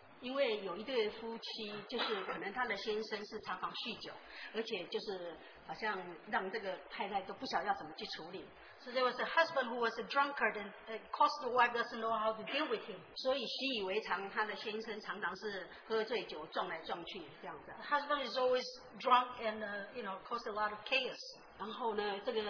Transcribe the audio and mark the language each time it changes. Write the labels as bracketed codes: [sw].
[zh] 因为有一对夫妻，就是可能他的先生是常常酗酒，而且就是好像让这个太太都不晓得要怎么去处理。 [en] So there was a husband who was a drunkard and of course the wife doesn't know how to deal with him. [zh] 所以习以为常，他的先生常常是喝醉酒撞来撞去这样子。 [en] The husband is always drunk and you know, caused a lot of chaos.